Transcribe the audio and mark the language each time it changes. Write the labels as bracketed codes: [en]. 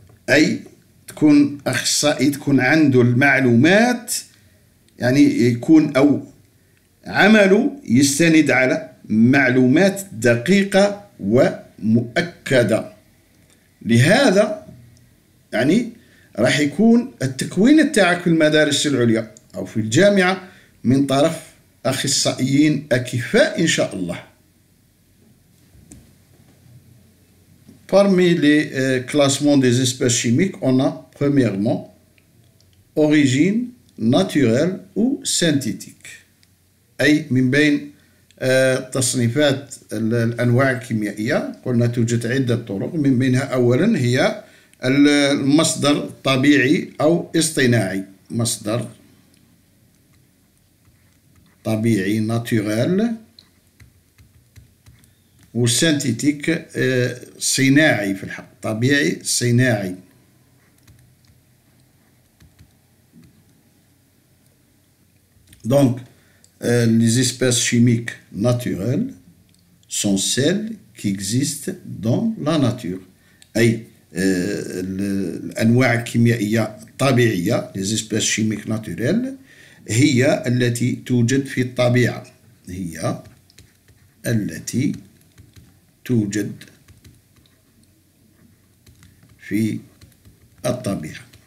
[ar] أي تكون أخصائي تكون عنده المعلومات، يعني يكون أو عمله يستند على معلومات دقيقة ومؤكدة. لهذا يعني راح يكون التكوين تاعك في المدارس العليا أو في الجامعة من طرف أخصائيين أكفاء إن شاء الله. [fr] Parmi les classements des espèces chimiques, on a premièrement origine naturelle ou synthétique. [ar] أي من بين تصنيفات الأنواع الكيميائية قلنا توجد عدة طرق، من بينها أولا هي المصدر طبيعي أو اصطناعي، مصدر طبيعي ناتورال وسينتيتيك صناعي في الحق، طبيعي صناعي. [fr] دونك les espèces chimiques naturelles sont celles qui existent dans la nature. [ar] أي الأنواع الكيميائية الطبيعية [fr] les espèces chimiques naturelles [ar] هي التي توجد في الطبيعة، هي التي توجد في الطبيعة.